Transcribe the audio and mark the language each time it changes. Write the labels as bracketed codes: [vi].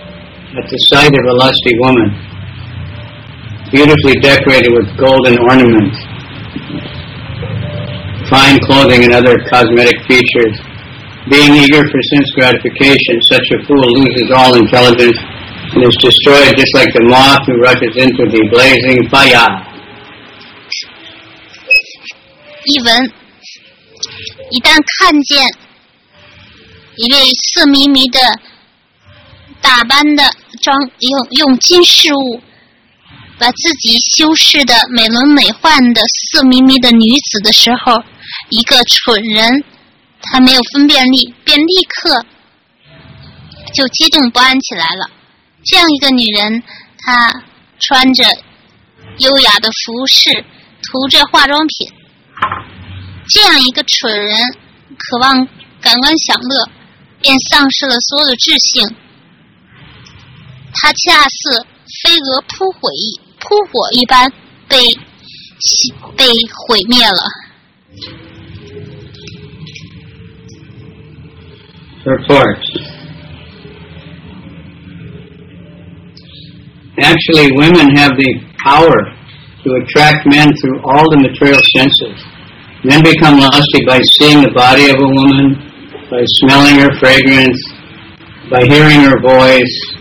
[en] At the sight of a lusty woman, beautifully decorated with golden ornaments, fine clothing and other cosmetic features, being eager for sense gratification, such a fool loses all intelligence and is destroyed just like the moth who rushes into the blazing fire. [zh] 译文，一旦看见一位色迷迷的打扮的装 用金饰物把自己修饰的美轮美奂的色眯眯的女子的时候一个蠢人他没有分辨力便立刻就激动不安起来了这样一个女人她穿着优雅的服饰涂着化妆品这样一个蠢人渴望感官享乐便丧失了所有的智性他恰似飞蛾扑火一般被毁灭了。 [en] Report. Actually, women have the power to attract men through all the material senses. Men become lusty by seeing the body of a woman, by smelling her fragrance, by hearing her voice.